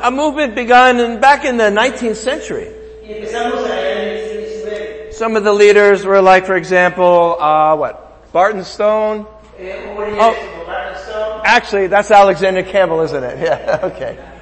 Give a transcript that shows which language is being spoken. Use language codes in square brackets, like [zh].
[en] A movement begun back in the 19th century. [es] Y empezamos allá en el siglo XIX. [en] Some of the leaders were like, for example, Barton Stone. Actually, that's Alexander Campbell, isn't it? Yeah, okay.